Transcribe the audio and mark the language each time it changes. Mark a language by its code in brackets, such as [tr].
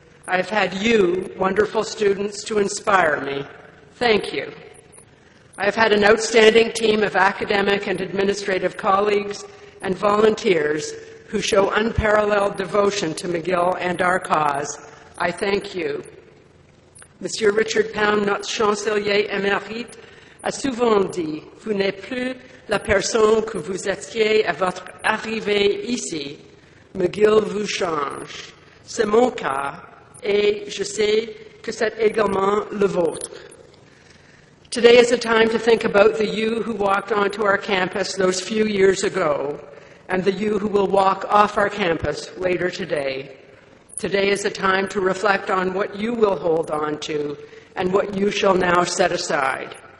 [en] I've had you, wonderful students, to inspire me. Thank you. I've had an outstanding team of academic and administrative colleagues and volunteers who show unparalleled devotion to McGill and our cause. I thank you. [fr] Monsieur Richard Pound, notre chancelier émérite, a souvent dit, vous n'êtes plus la personne que vous étiez à votre arrivée ici. McGill vous change. C'est mon cas, et je sais que c'est également le vôtre. [en] Today is a time to think about the you who walked onto our campus those few years ago, and the you who will walk off our campus later today. Today is a time to reflect on what you will hold on to and what you shall now set aside.